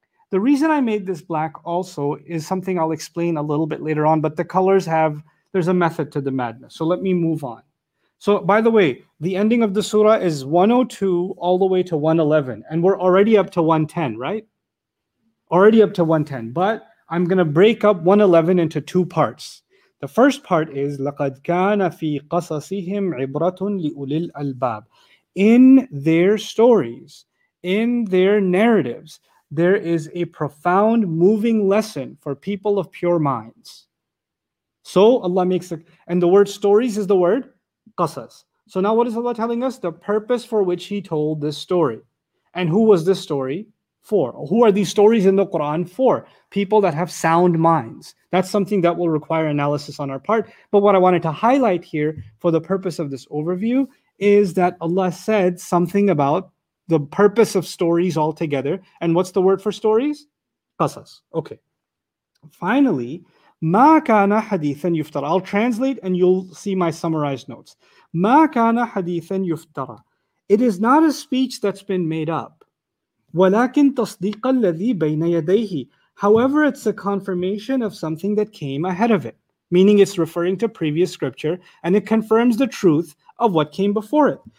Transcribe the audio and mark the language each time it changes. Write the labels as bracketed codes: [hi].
[en] The reason I made this black also is something I'll explain a little bit later on, but the colors have, there's a method to the madness. So let me move on. So by the way, the ending of the surah is 102 all the way to 111, and we're already up to 110, right? Already up to 110, but I'm going to break up 111 into two parts. The first part is [ar] لَقَدْ كَانَ فِي قَصَصِهِمْ عِبْرَةٌ لِأُولِي الْأَلْبَابِ. [en] In their stories, in their narratives, there is a profound moving lesson for people of pure minds. So Allah makes it, and the word stories is the word qasas. So now what is Allah telling us? The purpose for which He told this story. And who was this story for? Who are these stories in the Quran for? People that have sound minds. That's something that will require analysis on our part. But what I wanted to highlight here for the purpose of this overview is that Allah said something about the purpose of stories altogether. And what's the word for stories? Qasas. Okay. Finally, [ar] مَا كَانَ حَدِيثًا يُفْتَرَ. [en] I'll translate and you'll see my summarized notes. [ar] مَا كَانَ حَدِيثًا يُفْتَرَ. [en] It is not a speech that's been made up. [ar] وَلَكِنْ تَصْدِيقَ الَّذِي بَيْنَ يَدَيْهِ. [en] However, it's a confirmation of something that came ahead of it. Meaning it's referring to previous scripture and it confirms the truth of what came before it.